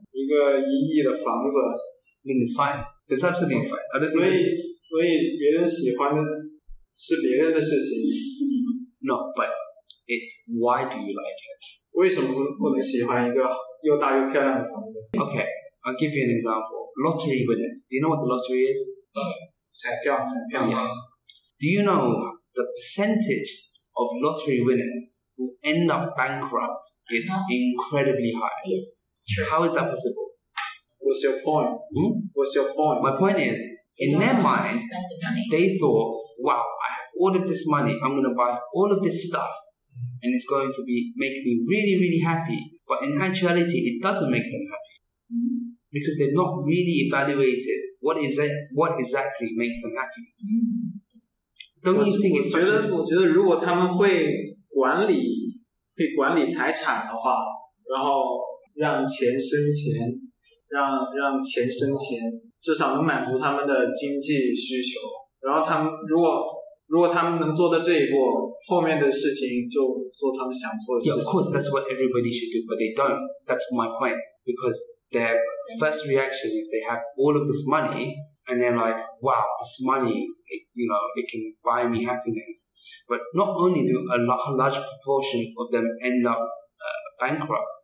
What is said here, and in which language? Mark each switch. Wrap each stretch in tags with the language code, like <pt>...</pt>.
<zh>可是如果真的有人喜欢一个1亿的房子,</zh> <en>then it's fine. It's absolutely fine. I don't</en> <zh>所以别人喜欢的是别人的事情。</zh> <en>No, but it's why do you like it? 为什么不能喜欢一个又大又漂亮的房子? Okay, I'll give you an example. Lottery winners. Do you know what the lottery is? Yes. Yeah. Do you know the percentage of lottery winners who end up bankrupt is incredibly high? Yes. How is that possible? What's your point? Hmm? What's your point? My point is, in their mind, they thought, wow, I have all of this money, I'm going to buy all of this stuff. and it's going to be make me really, really happy. But in actuality, it doesn't make them happy. Because they've not really evaluated what is it, what exactly makes them happy. Don't you think it's such a...</en> <zh>我觉得如果他们会管理财产的话，然后让钱生钱，让钱生钱，至少能满足他们的经济需求。然后他们如果他们能做到这一步，后面的事情就做他们想做的事情。</zh> <en>Yeah, of course, that's what everybody should do, but they don't. That's my point. Because their first reaction is they have all of this money, and they're like, "Wow, this money, it can buy me happiness." But not only do a large proportion of them end up bankrupt.</en>